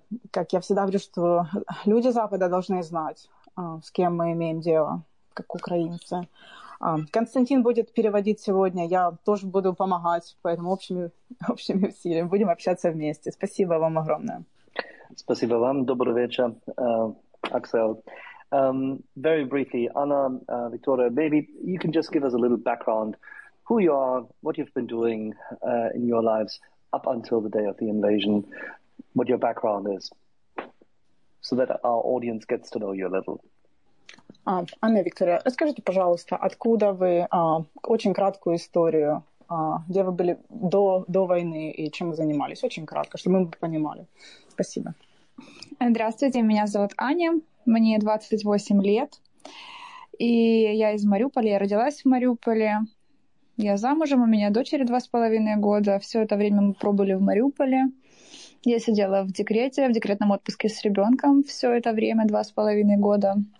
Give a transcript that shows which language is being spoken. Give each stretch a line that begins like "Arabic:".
Russian: Как я всегда говорю, что люди Запада должны знать, с кем мы имеем дело, как украинцы. Константин будет переводить сегодня. Я тоже буду помогать, поэтому общими усилиями будем общаться вместе. Спасибо вам огромное. Спасибо вам. Добрый вечер, Аксель.
English: Very briefly, Anna, Victoria, maybe you can just give us a little background, who you are, what you've been doing in your lives up until the day of the invasion, what your background is, so that our audience gets to know you a little.
Russian: Анна, Виктория, расскажите, пожалуйста, откуда вы, очень краткую историю, где вы были до войны и чем вы занимались, очень кратко, чтобы мы понимали. Спасибо. Здравствуйте, меня зовут Аня, мне 28 лет, и я из Мариуполя, я родилась в Мариуполе, я замужем, у меня дочери 2,5 года, все это время мы пробыли в Мариуполе, я сидела в декрете, в декретном отпуске с ребенком все это время, 2,5 года.